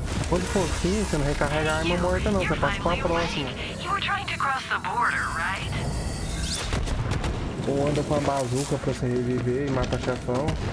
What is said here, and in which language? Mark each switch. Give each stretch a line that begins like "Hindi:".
Portuguese: Quando for fim, você não recarrega a arma morta não, você passa para a próxima.
English: You were trying to cross the border, right?
Portuguese: Ou anda com a bazuca pra você reviver e mata chefão.